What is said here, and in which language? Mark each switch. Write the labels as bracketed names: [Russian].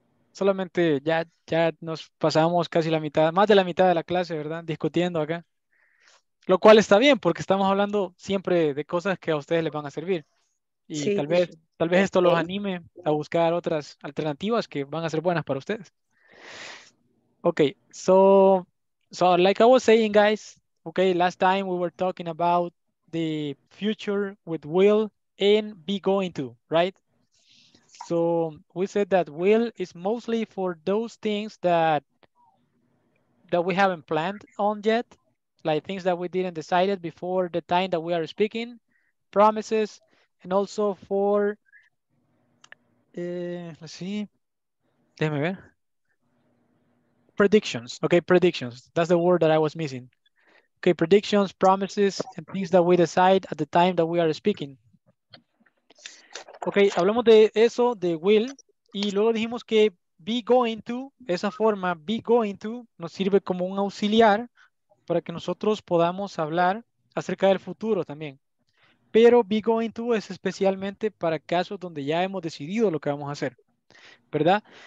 [Spanish] Solamente ya nos pasamos casi la mitad, más de la mitad de la clase, ¿verdad? Discutiendo acá. Lo cual está bien, porque estamos hablando siempre de cosas que a ustedes les van a servir. Y sí, tal vez esto los anime a buscar otras alternativas que van a ser buenas para ustedes. [English] Okay, so like I was saying, guys, okay, last time we were talking about the future with will and be going to, right? So we said that will is mostly for those things that we haven't planned on yet, like things that we didn't decide before the time that we are speaking, promises, and also for, let's see, [Spanish] déjame ver, [English] predictions, okay, predictions, that's the word that I was missing. Okay, predictions, promises, and things that we decide at the time that we are speaking. [Spanish] Ok, hablamos de eso, de will, y luego dijimos que be going to, esa forma, be going to, nos sirve como un auxiliar para que nosotros podamos hablar acerca del futuro también. Pero be going to es especialmente para casos donde ya hemos decidido lo que vamos a hacer, ¿verdad?